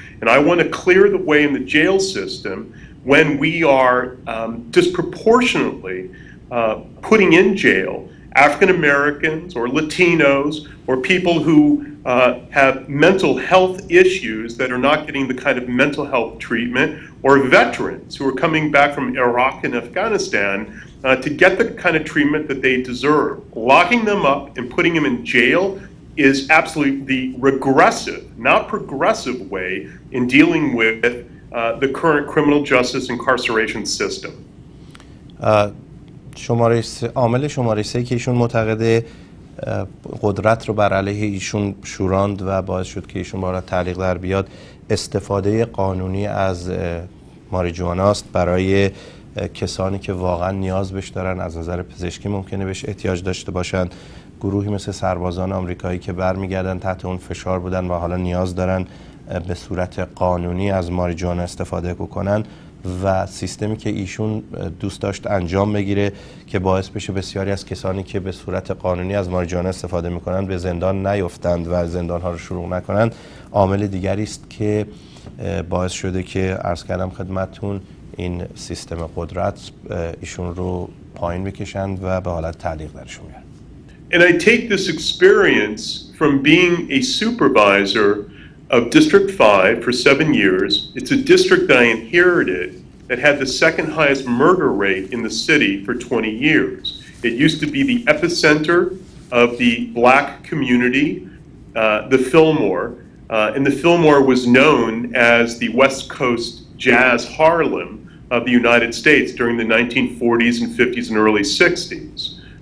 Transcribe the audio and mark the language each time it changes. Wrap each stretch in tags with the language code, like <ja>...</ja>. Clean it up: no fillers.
<en>And I want to clear the way in the jail system when we are disproportionately putting in jail African Americans or Latinos or people who have mental health issues that are not getting the kind of mental health treatment, or veterans who are coming back from Iraq and Afghanistan to get the kind of treatment that they deserve. Locking them up and putting them in jail is absolutely the regressive, not progressive way in dealing with the current criminal justice incarceration system.</en> <fa>عامل شماره 3 که ایشون معتقد قدرت رو بر علیه ایشون شوراند و باعث شد که ایشون بالا تعلیق در بیاد، استفاده قانونی از ماریجوانا است برای کسانی که واقعا نیاز بهش دارن، از نظر پزشکی ممکنه بهش احتیاج داشته باشن، گروهی مثل سربازان آمریکایی که برمیگردن تحت اون فشار بودن و حالا نیاز دارن به صورت قانونی از ماریجوانا استفاده بکنن، و سیستمی که ایشون دوست داشت انجام بگیره که باعث بشه بسیاری از کسانی که به صورت قانونی از ماریجوانا استفاده میکنند به زندان نیفتند و زندان ها رو شروع نکنند، عامل دیگری است که باعث شده که عرض کردم خدمتتون این سیستم قدرت ایشون رو پایین بکشند و به حالت تعلیق درشون بیارند.</fa> <en>And I take this experience from being a supervisor of District 5 for 7 years. It's a district that I inherited that had the second highest murder rate in the city for 20 years. It used to be the epicenter of the black community, the Fillmore, and the Fillmore was known as the West Coast Jazz Harlem of the United States during the 1940s and 50s and early 60s.</en>